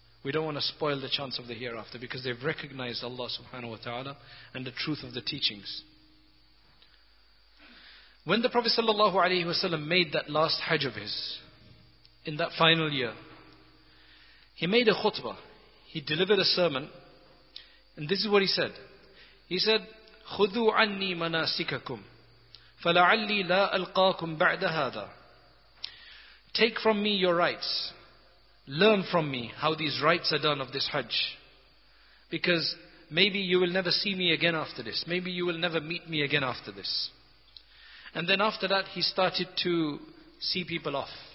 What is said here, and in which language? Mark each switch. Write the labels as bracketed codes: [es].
[en] We don't want to spoil the chance of the hereafter, because they've recognized Allah subhanahu wa ta'ala and the truth of the teachings. When the Prophet sallallahu alaihi wasallam made that last hajj of his, in that final year, he made a khutbah. He delivered a sermon. And this is what he said. He said, [ar] خُذُوا عَنِّي مَنَاسِكَكُمْ فَلَعَلِّي لَا أَلْقَاكُمْ بَعْدَ هَذَا. [en] Take from me your rites. Learn from me how these rites are done of this hajj. Because maybe you will never see me again after this. Maybe you will never meet me again after this. And then after that, he started to see people off.